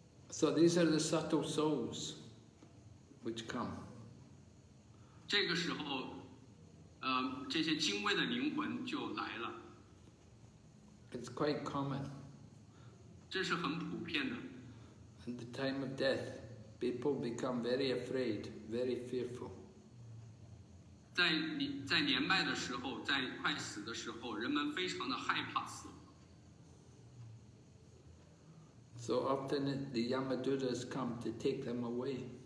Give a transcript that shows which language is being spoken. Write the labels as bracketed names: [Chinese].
[English] So these are the subtle souls which come. [Chinese] 这个时候, 这些精微的灵魂就来了。 [English] It's quite common. [Chinese] 这是很普遍的。 [English] At the time of death, people become very afraid, very fearful. [Chinese] 在年迈的时候, 在快死的时候, 人们非常的害怕死。 [English] So often the Yamadutas come to take them away.